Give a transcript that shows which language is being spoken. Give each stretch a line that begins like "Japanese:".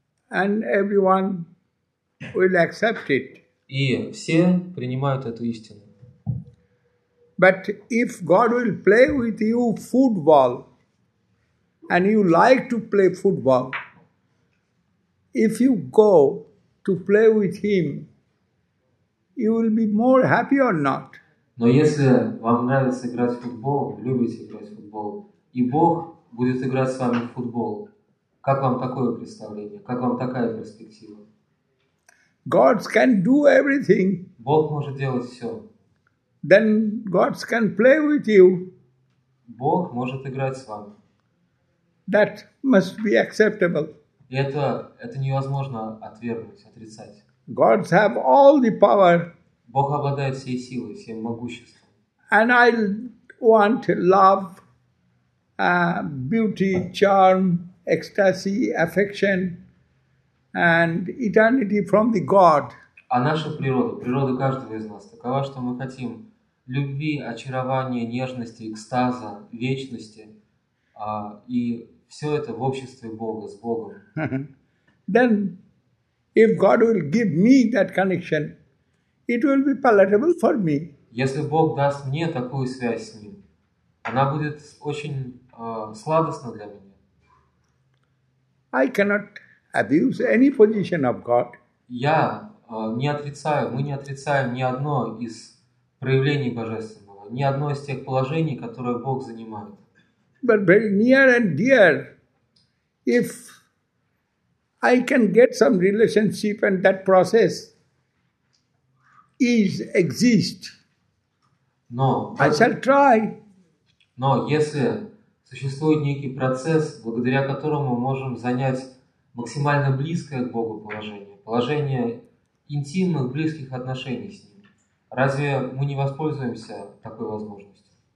English: And everyone will accept it.
Russian: И все принимают эту истину.
English: But if God will play with you football, and you like to play football, if you go to play with him, you will be more happy or not?
Russian: Но если вам нравится играть в футбол, любите играть в футбол, и Бог будет играть с вами в футбол, как вам такое представление? Как вам такая перспектива?
English: God can do everything.
Russian: Бог может делать все.
English: Then God can play with you.
Russian: Бог может играть с вами.
English: That must be acceptable.
Russian: Это невозможно отвергнуть, отрицать.
English: God have all the power.
Russian: Бог обладает всей силой, всем могуществом.
English: And I want love, beauty, charm, ecstasy, affection, and eternity from the God.
Russian: А наша природа, природа каждого из нас такова, что мы хотим любви, очарования, нежности, экстаза, вечности, и все это в обществе Бога, с Богом.
English: Then, if God will give me that connection, it will be palatable for me.
Russian: Если Бог даст мне такую связь с Ним, она будет очень сладостна для меня.
English: I cannot abuse any position of God.
Russian: Я не отрицаю, мы не отрицаем ни одно из проявлений Божественного, ни одно из тех положений, которые Бог занимает.
English: But very near and dear, if I can get some relationship and that process is exist.
Russian: Но,
English: I shall try.
Russian: Но если существует некий процесс, благодаря которому мы можем занять максимально близкое к Богу положение, положение интимных, близких отношений с Ним, разве мы не воспользуемся такой возможностью?